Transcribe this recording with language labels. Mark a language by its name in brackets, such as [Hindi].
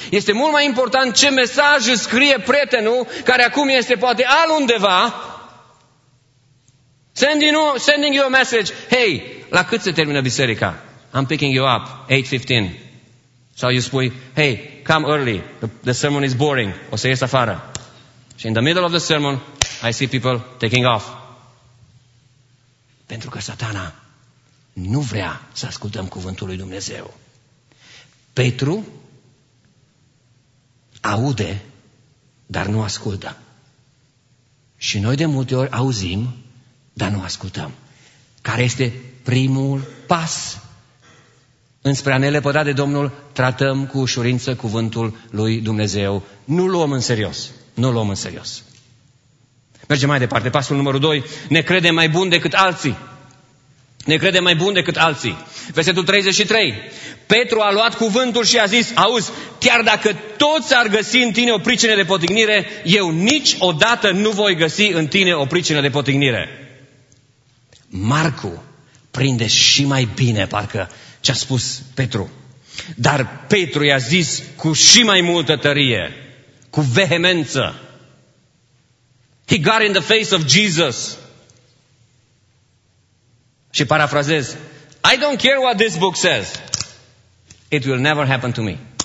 [Romanian] Este mult mai important ce mesaj îți scrie prietenul, care acum este poate alundeva. [English] Sending you a message. Hey, [Romanian] la cât se termină biserica? [English] I'm picking you up, 8:15. [Romanian] Sau eu spui, [English] hey, come early, the sermon is boring, [Romanian] o să ies afară. Și [English] in the middle of the sermon, I see people taking off. [Romanian] Pentru că Satana nu vrea să ascultăm cuvântul lui Dumnezeu. Petru aude, dar nu ascultă. Și noi de multe ori auzim, dar nu ascultăm. Care este primul pas? Înspre a ne lepăda de Domnul, tratăm cu ușurință cuvântul lui Dumnezeu. Nu luăm în serios. Nu luăm în serios. Mergem mai departe. Pasul numărul 2. Ne credem mai buni decât alții. Ne credem mai buni decât alții. Versetul 33. Petru a luat cuvântul și a zis, auzi, chiar dacă toți ar găsi în tine o pricină de potignire, eu niciodată nu voi găsi în tine o pricină de potignire. Marcu prinde și mai bine, parcă, ce-a spus Petru. Dar Petru i-a zis cu și mai multă tărie, cu vehemență. [English] He got in the face of Jesus. [Romanian] Și parafrazez, [English] I don't care what this book says. It will never happen to me.